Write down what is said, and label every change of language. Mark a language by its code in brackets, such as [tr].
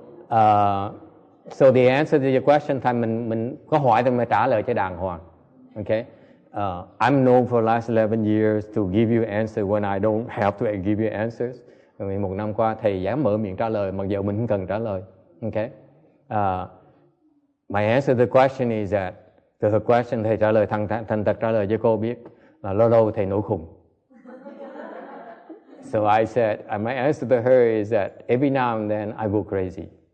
[en] So the answer to your question, [vi] mình có hỏi thì mới trả lời cho đàng hoàng. [en] Okay. I'm known for the last 11 years to give you answers when I don't have to give you answers. [vi] Vì một năm qua thầy dám mở miệng trả lời mặc dù mình không cần trả lời. Okay. [en] My answer to the question [vi] is that the question thầy trả lời thành thật trả lời cho cô biết là lâu lâu thầy nổi khùng. [en] So I said, my answer to her is that every now and then I go crazy.